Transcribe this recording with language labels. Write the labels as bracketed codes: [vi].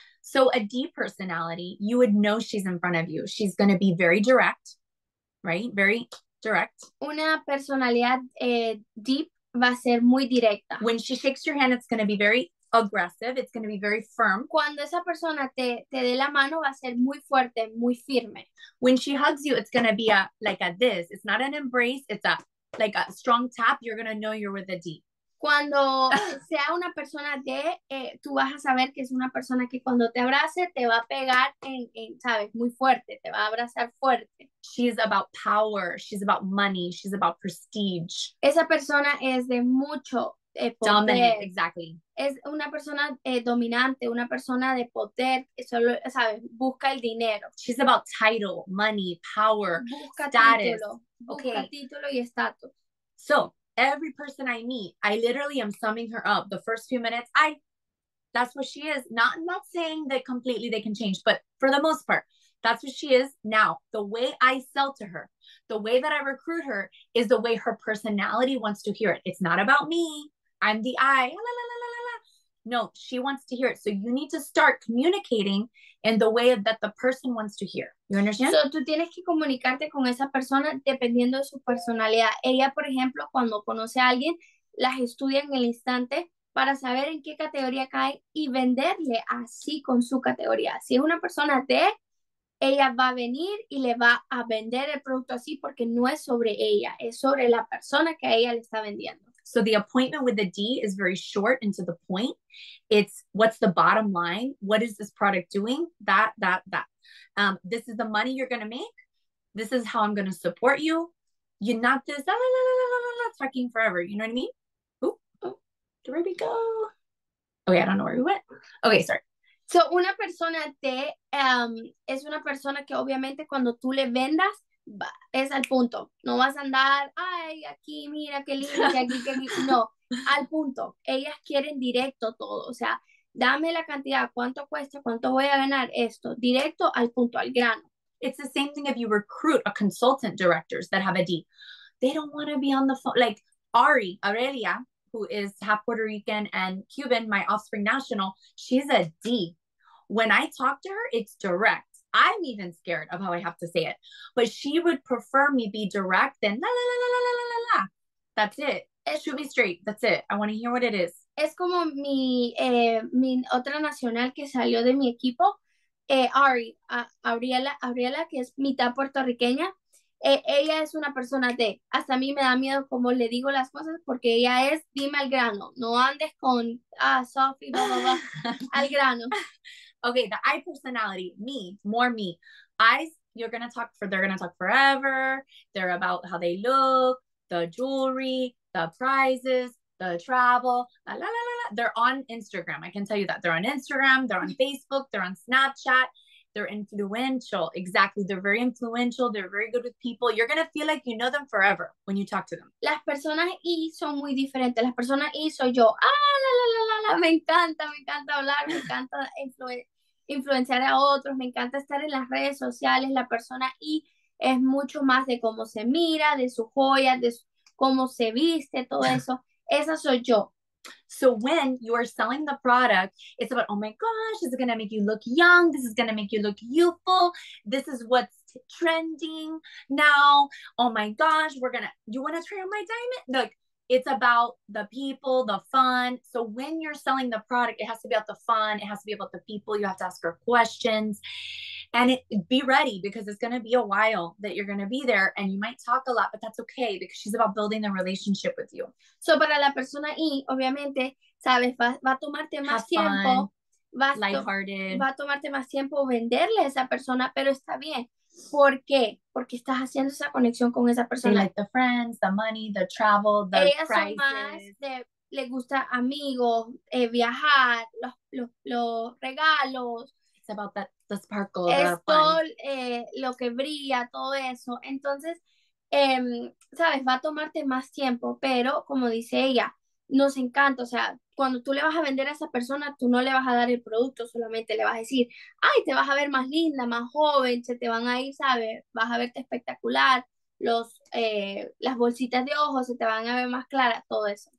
[en] So a D personality, you would know she's in front of you. She's going to be very direct, right? Very direct. [es] Una personalidad deep va a ser muy directa. [en] When she shakes your hand, it's going to be very aggressive. It's going to be very firm. [es] Cuando esa persona te dé la mano, va a ser muy fuerte, muy firme. [en] When she hugs you, it's going to be like a this. It's not an embrace. It's a like a strong tap. You're going to know you're with a D. [es] Cuando sea una persona de, tú vas a saber que es una persona que cuando te abrace, te va a pegar en, sabes, muy fuerte, te va a abrazar fuerte. [en] She's about power, she's about money, she's about prestige. [es] Esa persona es de mucho [en] Dominant, exactly. [es] Es una persona dominante, una persona de poder, solo, sabe, busca el dinero. [en] She's about title, money, power, [es] busca [en] status. [es] Título. Busca título y estatus. [en] So, every person I meet, I literally am summing her up. The first few minutes, that's what she is. Not saying that completely they can change, but for the most part, that's what she is. Now, the way I sell to her, the way that I recruit her is the way her personality wants to hear it. It's not about me. I'm the I. La, la, la, la, la, la. No, she wants to hear it. So you need to start communicating in the way that the person wants to hear. You understand? [es] So tú tienes que comunicarte con esa persona dependiendo de su personalidad. Ella, por ejemplo, cuando conoce a alguien, las estudia en el instante para saber en qué categoría cae y venderle así con su categoría. Si es una persona de, ella va a venir y le va a vender el producto así porque no es sobre ella, es sobre la persona que a ella le está vendiendo. [en] So the appointment with the D is very short and to the point. It's what's the bottom line? What is this product doing? That. This is the money you're going to make. This is how I'm going to support you. You not this, talking forever. You know what I mean? Where'd we go? Okay, I don't know where we went. Okay, sorry. [es] So una persona T es una persona que obviamente cuando tú le vendas, es al punto. No vas a andar, ay, aquí, mira, qué lindo, aquí. No, al punto. Ellas quieren directo todo. O sea, dame la cantidad, cuánto cuesta, cuánto voy a ganar esto. Directo al punto, al grano. [en] It's the same thing if you recruit a consultant directors that have a D. They don't want to be on the phone. Like Ari, Aurelia, who is half Puerto Rican and Cuban, my offspring national, she's a D. When I talk to her, it's direct. I'm even scared of how I have to say it, but she would prefer me be direct than la, la, la, la, la, la, la, la. That's it. Shoot me straight. That's it. I want to hear what it is. [es] Es como mi, mi otra nacional que salió de mi equipo, Ari, Aurela, que es mitad puertorriqueña. Ella es una persona de, hasta a mí me da miedo como le digo las cosas, porque ella es, dime al grano, no andes con, Sophie, blah, blah, blah, al grano. [en] Okay, the I personality, me, more me. Eyes, you're going to talk, they're going to talk forever. They're about how they look, the jewelry, the prizes, the travel, la, la, la, la, la. They're on Instagram. I can tell you that. They're on Instagram, they're on Facebook, they're on Snapchat. They're influential. Exactly. They're very influential. They're very good with people. You're going to feel like you know them forever when you talk to them. [es] Las personas I son muy diferentes. Las personas I soy yo. Ah, la, la, la, la, la. Me encanta hablar. Me encanta influenciar a otros. Me encanta estar en las redes sociales. La persona I es mucho más de cómo se mira, de sus joyas, de su, cómo se viste, todo eso. Esa soy yo. [en] So when you are selling the product, it's about, oh my gosh, this is going to make you look young. This is going to make you look youthful. This is what's trending now. Oh my gosh, you want to try on my diamond? Like, it's about the people, the fun. So when you're selling the product, it has to be about the fun. It has to be about the people. You have to ask her questions. And be ready, because it's going to be a while that you're going to be there. And you might talk a lot, but that's okay, because she's about building the relationship with you. [es] So para la persona I, obviamente, sabes, va a tomarte más tiempo. [en] Fun, lighthearted. [es] Va a tomarte más tiempo venderle a esa persona, pero está bien. ¿Por qué? Porque estás haciendo esa conexión con esa persona. [en] They like the friends, the money, the travel, the [es] ellas [en] prices. [es] Son más de, le gusta amigos, viajar, los regalos. [en] About the sparkle. [es] Es todo lo que brilla, todo eso. Entonces, sabes, va a tomarte más tiempo, pero como dice ella, nos encanta. O sea, cuando tú le vas a vender a esa persona, tú no le vas a dar el producto, solamente le vas a decir, ay, te vas a ver más linda, más joven, se te van a ir, sabes, vas a verte espectacular, las bolsitas de ojos se te van a ver más claras, todo eso.